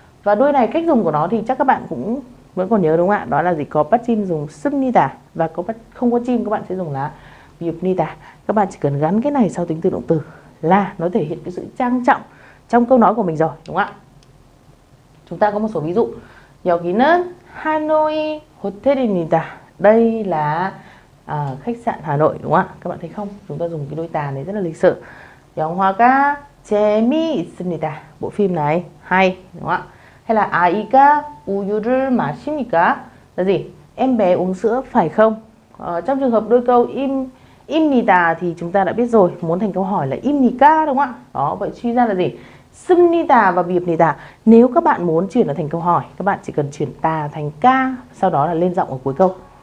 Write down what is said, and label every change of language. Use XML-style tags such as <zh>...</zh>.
<vi>Và đuôi này cách dùng của nó thì chắc các bạn cũng vẫn còn nhớ đúng không ạ? Đó là gì? Có bắt chim dùng sâm nì tà và có bắt không có chim các bạn sẽ dùng là biệp nì tà. Các bạn chỉ cần gắn cái này sau tính từ động từ là nó thể hiện cái sự trang trọng trong câu nói của mình rồi, đúng không ạ? Chúng ta có một số ví dụ.</vi> <ko>여기는 하노이 호텔입니다.</ko> <vi>Đây là khách sạn Hà Nội, đúng không ạ? Các bạn thấy không? Chúng ta dùng cái đôi tà này rất là lịch sự.</vi> <ko>영화가 재미있습니다.</ko> <vi>Bộ phim này hay, đúng không ạ? Hay là</vi> <ko>아이가 우유를 마십니까?</ko> <vi>Là gì? Em bé uống sữa phải không? Trong trường hợp đôi câu im니다 thì chúng ta đã biết rồi, muốn thành câu hỏi là 입니까 đúng không ạ? Đó, vậy suy ra là gì? 씁니다 và 비입니다. Nếu các bạn muốn chuyển nó thành câu hỏi, các bạn chỉ cần chuyển tà thành ca, sau đó là lên giọng ở cuối câu.</vi>